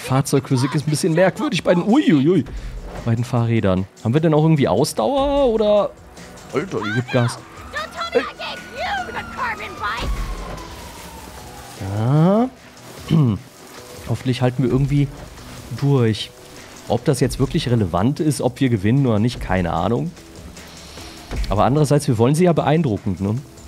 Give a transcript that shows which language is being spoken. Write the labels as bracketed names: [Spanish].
[German] Fahrzeugphysik ist ein bisschen merkwürdig bei den Uiuiui, bei den Fahrrädern. Haben wir denn auch irgendwie Ausdauer oder? Alter, ich geb Gas. [English] Don't tell me I gave you the carbon bike. [German] Hoffentlich halten wir irgendwie durch. Ob das jetzt wirklich relevant ist, ob wir gewinnen oder nicht, keine Ahnung. Aber andererseits, wir wollen sie ja beeindruckend, ne?